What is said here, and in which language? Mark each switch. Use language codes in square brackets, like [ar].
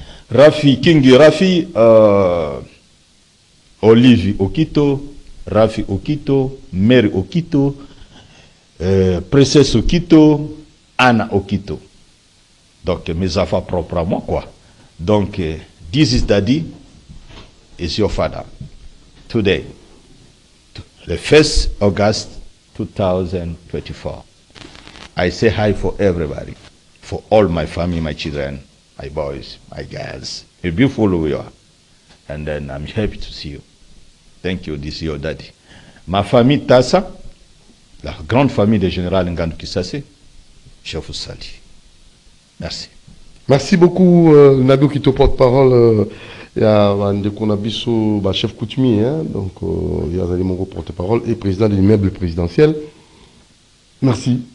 [fr] Rafi Kingi, Rafi Olive Okito, Rafi Okito, Mère Okito, Princesse Okito, Anna Okito. Donc, mes enfants propres à moi, quoi. [en] Donc, this is daddy, is your father. Today. The 1st August 2024. I say hi for everybody, for all my family, my children, my boys, my girls. A beautiful way you are. And then I'm happy to see you. Thank you, this is your daddy. [fr] Ma famille Tassa, la grande famille de Général Ngandou Kisasé, je vous salue. Merci. Merci beaucoup, Nabio qui te porte parole. Il y a chef coutumier, hein, donc il y a mon porte-parole et président de l'immeuble présidentiel. Merci.